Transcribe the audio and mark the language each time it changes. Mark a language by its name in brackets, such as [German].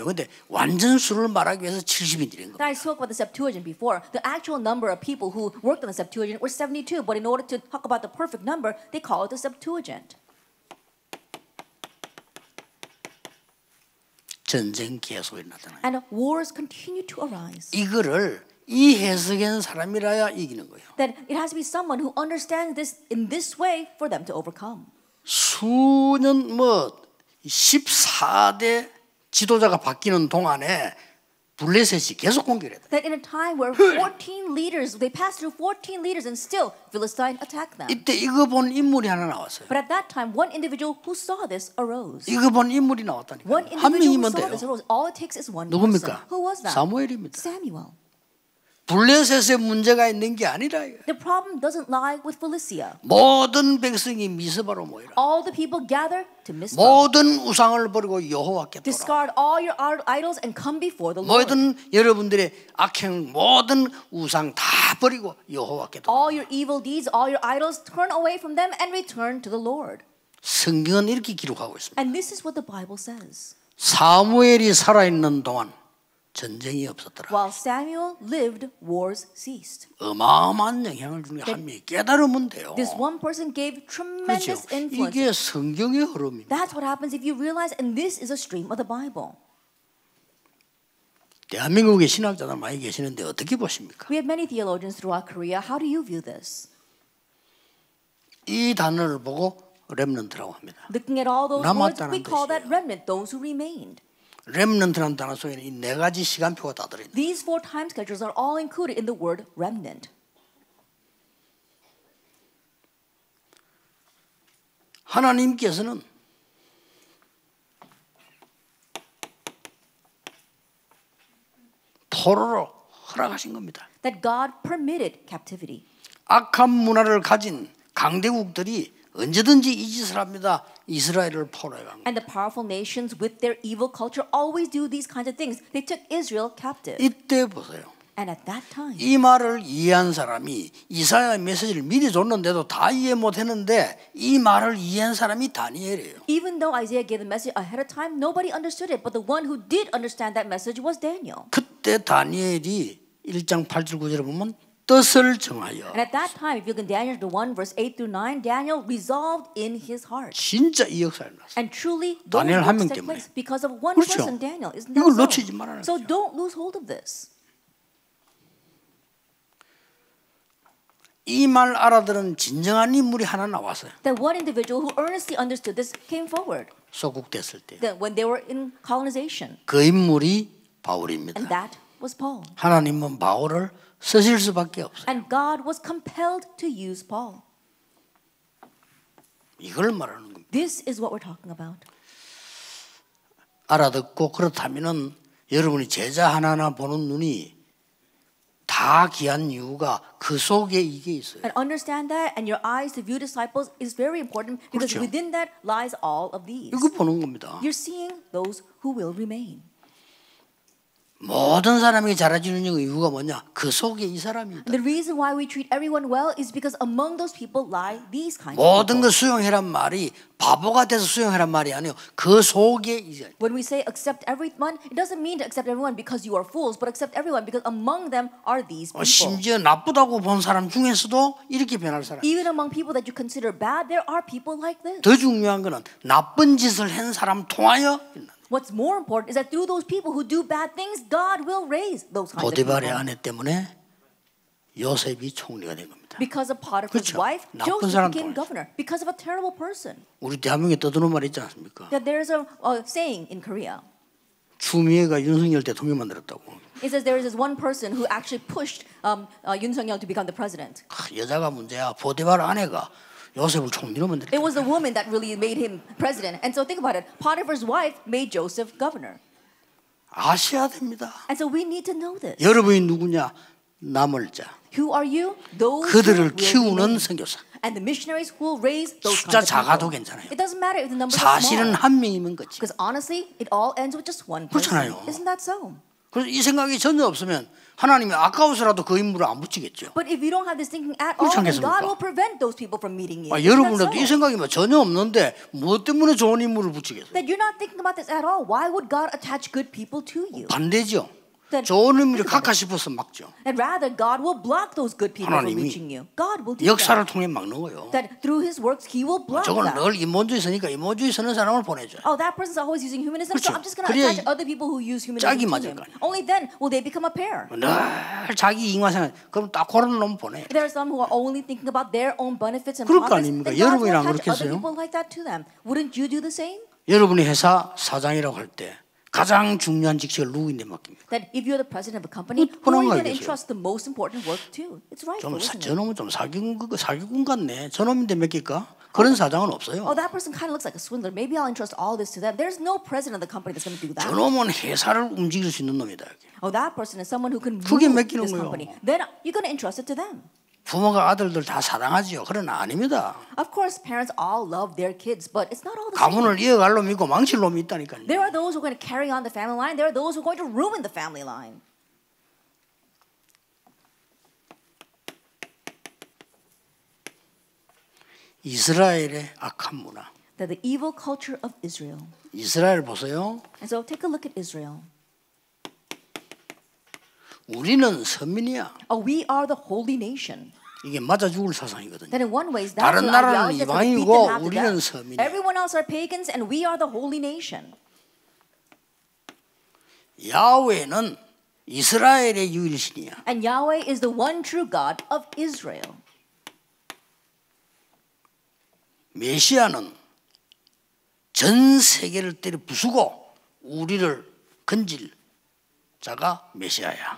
[Korean] 그런데 완전수를 말하기 위해서 70인들인 겁니다. [English] I spoke about the Septuagint before. The actual number of people who worked on the Septuagint were 72. But in order to talk about the perfect number, they call it the Septuagint. [Korean] 전쟁 계속 일어나잖아요. [English] And wars continue to arise. [Korean] 이거를 이해석한 사람이라야 이기는 거예요. [English] That it has to be someone who understands this in this way for them to overcome. [Korean] 수년 뭐 14대 지도자가 바뀌는 동안에 블레셋이 계속 공격해요. [English] That in a time where 14 leaders, they passed through 14 leaders and still Philistine attacked them. [Korean] 이때 이거 본 인물이 하나 나왔어요. [English] But at that time, one individual who saw this arose. [Korean] 이거 본 인물이 나왔다니까요. [English] One individual who saw this arose. All it takes is one person. [Korean] 누굽니까? [English] Who was that? [Korean] 사무엘입니다. [English] Samuel. [Korean] 블레셋에 문제가 있는 게 아니라 [English] The problem doesn't lie with Philistia. [Korean] 모든 백성이 미스바로 모이라. [English] All the people gather to Mizpah. [Korean] 모든 우상을 버리고 여호와께 돌아. [English] Discard all your idols and come before the Lord. [Korean] 모든 여러분들의 악행 모든 우상 다 버리고 여호와께 돌아. [English] All your evil deeds, all your idols, turn away from them and return to the Lord. [Korean] 성경은 이렇게 기록하고 있습니다. [English] And this is what the Bible says. [Korean] 사무엘이 살아 있는 동안 전쟁이 없었더라. [English] While Samuel lived, wars ceased. [Korean] 어마어마한 영향을 준 게 한 명이 깨달으면 돼요. [English] This one person gave tremendous influence. [Korean] 이게 성경의 흐름입니다. [English] That's what happens if you realize, and this is a stream of the Bible. [Korean] 대한민국에 신학자들 많이 계시는데 어떻게 보십니까? [English] We have many theologians throughout Korea. How do you view this? [Korean] 이 단어를 보고 렘넌트라고 합니다. [English] Looking at all those words, we call that remnant, those who remained. [Korean] Remnant라는 단어 속에는 이 네 가지 시간표가 다 들어있다. [English] These four time schedules are all included in the word remnant. [Korean] 하나님께서는 포로로 허락하신 겁니다. [English] That God permitted captivity. [Korean] 악한 문화를 가진 강대국들이 언제든지 이 짓을 합니다. 이스라엘을 포로해 간 거예요. [English] And the powerful nations with their evil culture always do these kinds of things. They took Israel captive. [Korean] 이때 보세요. [English] And at that time. [Korean] 이 말을 이해한 사람이 이사야 메시지를 미리 줬는데도 다 이해 못 했는데 이 말을 이해한 사람이 다니엘이에요. [English] Even though Isaiah gave the message ahead of time, nobody understood it, but the one who did understand that message was Daniel. [Korean] 그때 다니엘이 1장 8절 9절을 보면 뜻을 정하여. [English] And at that time, if you look in Daniel 1, verse 8 through 9, Daniel resolved in his heart. [Korean] 진짜 이 역사를 났어. [English] And truly, [Korean] Daniel 한 명 때문에. [English] Because of one [Korean] 그렇죠. [English] person, Daniel, isn't that so? [Korean] 이걸 놓치지 말아라. [English] So don't lose hold of this. [Korean] 이 말 알아들은 진정한 인물이 하나 나왔어요. [English] That one individual who earnestly understood this came forward. [Korean] 소국됐을 때. [English] That when they were in colonization. [Korean] 그 인물이 바울입니다. [English] And that was Paul. [Korean] 하나님은 바울을 쓰실 수밖에 없어요. [English] And God was compelled to use Paul. [Korean] 이걸 말하는 겁니다. [English] This is what we're talking about. [Korean] 알아듣고 그렇다면은 여러분이 제자 하나하나 보는 눈이 다 귀한 이유가 그 속에 이게 있어요. [English] And understand that and your eyes to view disciples is very important because [Korean] 그렇죠. [English] within that lies all of these. [Korean] 이거 보는 겁니다. [English] You're seeing those who will remain. [Korean] 모든 사람이 잘해주는 이유가 뭐냐? 그 속에 이 사람입니다. [English] The reason why we treat everyone well is because among those people lie these kinds. [Korean] 모든 걸 수용해란 말이 바보가 돼서 수용해란 말이 아니요. 그 속에 이 사람. [English] When we say accept everyone, it doesn't mean to accept everyone because you are fools, but accept everyone because among them are these people. [Korean] 심지어 나쁘다고 본 사람 중에서도 이렇게 변할 사람. [English] Even among people that you consider bad, there are people like this. [Korean] 더 중요한 것은 나쁜 짓을 한 사람 통하여. [English] What's more important is that through those people who do bad things, God will raise those kinds of people. [Korean] 보디발의 아내 때문에 요셉이 총리가 된 겁니다. [English] Because of Potiphar's [Korean] 그렇죠. [English] wife, Joseph became governor. Because of a terrible person. [Korean] 우리 대한민국에 떠드는 말 있지 않습니까? [English] That there is a saying in Korea. [Korean] 추미애가 윤석열 대통령 만들었다고. [English] It says there is this one person who actually pushed Yoon Sung-yeol to become the president. [Korean] 여자가 문제야. 보디발 아내가 요셉을 총리로 만들. [English] It was a woman that really made him president. And so think about it. Potiphar's wife made Joseph governor. [Korean] 아셔야 됩니다. [English] And so we need to know this. [Korean] 여러분이 누구냐? 남을 자. [English] Who are you? Those [Korean] 그들을 키우는 선교사. [English] And the missionaries who will raise those kinds of people. [Korean] 숫자 작아도 괜찮아요. [English] It doesn't matter if the number is small. [Korean] 사실은 한 명이면 끝이. [English] Because honestly, it all ends with just one person. [Korean] 그렇잖아요. [English] Isn't that so? [Korean] 그래서 이 생각이 전혀 없으면 하나님이 아까워서라도 그 인물을 안 붙이겠죠. [English] But if you don't have this thinking at all, then God will prevent those people from meeting you. [Korean] 아, 여러분들도 이 생각이 뭐 전혀 없는데 무엇 때문에 좋은 인물을 붙이겠어요? [English] That you're not thinking about this at all. Why would God attach good people to you? [Korean] 반대죠. 좋은 인물을 갖고 싶어서 막죠. [English] And rather, God will block those good people from reaching you. God will do that. [Korean] 역사를 통해 막는 거예요. [English] That through His works, He will block that. [Korean] 저건 늘 인본주의 서니까 인본주의 서는 사람을 보내죠. [English] Oh, that person is always using humanism. [Korean] 그렇죠. [English] So I'm just going to attach other people who use humanism. [Korean] 짝이 맞을 거 아니에요. [English] Only then will they become a pair. [Korean] 늘 자기 이익만 그럼 딱 그런 놈 보내. [English] There are some who are only thinking about their own benefits and profits. [Korean] 그럴 거 아닙니까? 여러분이랑 그렇겠어요? [English] Other people like that to them. Wouldn't you do the same? [Korean] 여러분이 회사 사장이라고 할 때. 가장 중요한 직책을 누구인데 맡깁니까? [English] That if you're the president of a company, who are you going to entrust the most important work to? It's right. [Korean] 좀 저놈은 좀 사기꾼 같네. 저놈인데 맡길까? 그런 사장은 없어요. [English] Oh, that person kind of looks like a swindler. Maybe I'll entrust all this to them. There's no president of the company that's going to do that. [Korean] 저놈은 회사를 움직일 수 있는 놈이다. 여기. [English] Oh, that person is someone who can move this company. Then you're going to entrust it to them. [Korean] 부모가 아들들 다 사랑하지요. 그러나 아닙니다. [English] Of course, parents all love their kids, but it's not all the [Korean] 가문을 [English] same. [Korean] 이어갈 놈이 있고 망칠 놈이 있다니까요. [English] There are those who are going to carry on the family line. There are those who are going to ruin the family line. [Korean] 이스라엘의 악한 문화. [English] That the evil culture of Israel. [Korean] 이스라엘 보세요. [English] And so take a look at Israel. [Korean] 우리는 선민이야. [English] Oh, we are the holy nation. [Korean] 이게 맞아 죽을 사상이거든요. [English] Then in one way, [Korean] 다른 나라는 이방이고 우리는 선민이야. [English] Everyone else are pagans and we are the holy nation. [Korean] 야훼는 이스라엘의 유일신이야. [English] And Yahweh is the one true God of Israel. [Korean] 메시아는 전 세계를 때려 부수고 우리를 건질 자가 메시아야.